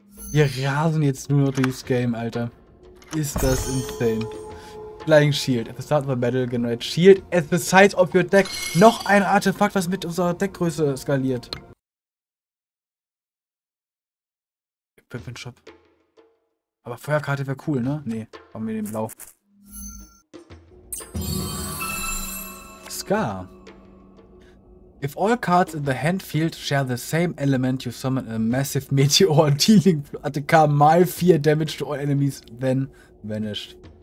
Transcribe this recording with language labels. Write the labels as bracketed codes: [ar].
[de] Wir rasen jetzt nur noch dieses Game, Alter. Ist das insane. Flying Shield. [en] At the start of a battle, generate Shield at the size of your deck. [de] Noch ein Artefakt, was mit unserer Deckgröße skaliert. Pippin Shop. Aber Feuerkarte wäre cool, ne? Nee, haben wir den blau. [en] Scar. If all cards in the hand field share the same element, you summon a massive meteor dealing ATK mal 4 damage to all enemies, then vanished.